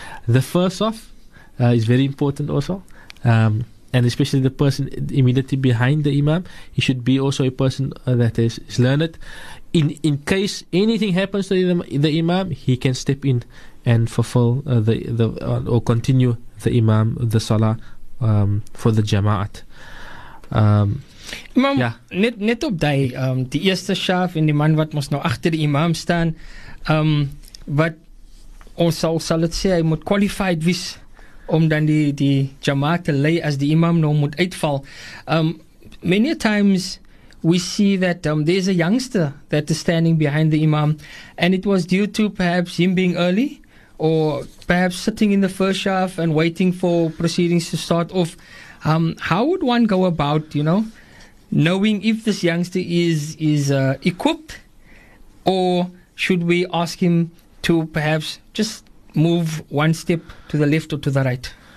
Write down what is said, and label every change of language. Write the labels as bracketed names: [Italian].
[English] The first saf is very important also. And especially the person immediately behind the imam, he should be also a person that is learned. In case anything happens to the imam, he can step in and fulfill or continue the imam, the salah, for the jama'at. Imam, yeah. [Afrikaans] net op die, die eerste shaf en die man wat moest nou achter die imam staan, wat ons sal het sê, hy moet qualified wees om dan die jamaat te lei as die imam nou moet uitval. [English] Many times we see that there's a youngster that is standing behind the imam, and it was due to perhaps him being early, or perhaps sitting in the first shaf and waiting for proceedings to start off. How would one go about, you know, knowing if this youngster is equipped, or should we ask him to perhaps just move one step to the left or to the right?